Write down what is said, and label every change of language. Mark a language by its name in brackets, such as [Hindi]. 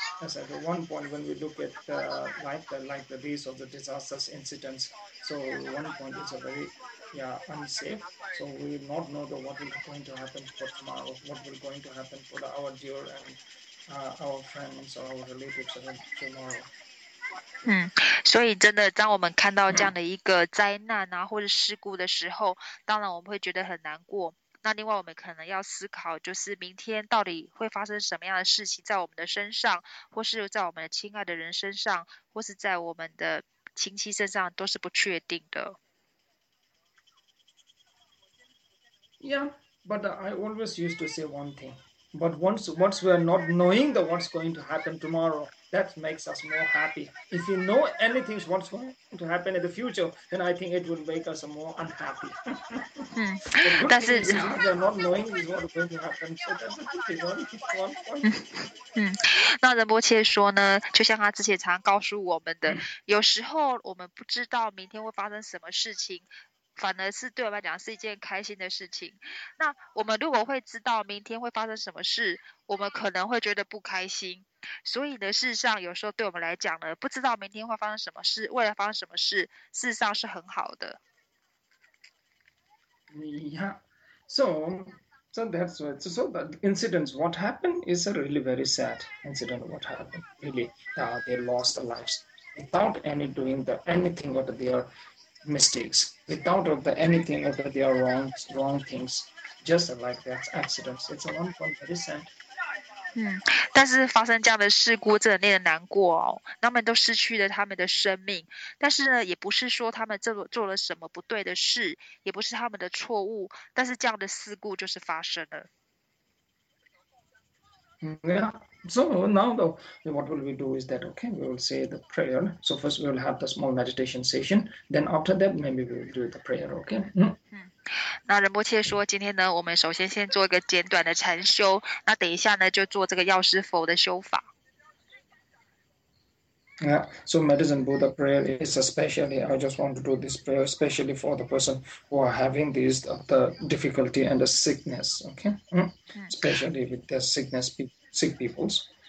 [English] As I said, one point when we look at like the days of the disastrous incidents. So one point is a very yeah unsafe. So we will not know the what is going to happen for tomorrow. What will going to happen for the, our dear and our friends or our relatives tomorrow. [Chinese] 所以真的当我们看到这样的一个灾难啊或者事故的时候，当然我们会觉得很难过。那另外我们可能要思考，就是明天到底会发生什么样的事情在我们的身上，或是在我们的亲爱的人身上，或是在我们的亲戚身上，都是不确定的。 [English] Yeah, but I always used to say one thing. But once we are not knowing the what's going to happen tomorrow, that makes us more happy. If you know anything what's going to happen in the future, then I think it would make us more unhappy. That is not knowing is what's going to happen. So that's a good thing. [Chinese] 那仁波切说呢，就像他之前常告诉我们的，有时候我们不知道明天会发生什么事情，反而是对我们来讲是一件开心的事情。那我们如果会知道明天会发生什么事，我们可能会觉得不开心。所以呢，事实上有时候对我们来讲呢，不知道明天会发生什么事，未来发生什么事，事实上是很好的。 [English] Yeah, so that's right. So the incidents, what happened is a really very sad incident. What happened? Really, they lost their lives without any doing the anything or their mistakes, without of the anything or their wrong things, just like that accidents. It's a one point very sad. [Chinese] 但是发生这样的事故真的令人难过哦，他们都失去了他们的生命，但是呢也不是说他们做了什么不对的事，也不是他们的错误，但是这样的事故就是发生了。 [English] Yeah, so now though what will we do is that okay, we will say the prayer. So first we will have the small meditation session, then after that maybe we will do the prayer, okay. [Chinese] 那仁波切说，今天呢，我们首先先做一个简短的禅修，那等一下呢，就做这个药师佛的修法。 [English] Yeah, so medicine Buddha prayer is especially, I just want to do this prayer especially for the person who are having these the difficulty and the sickness, okay? Especially with the sickness, sick peoples.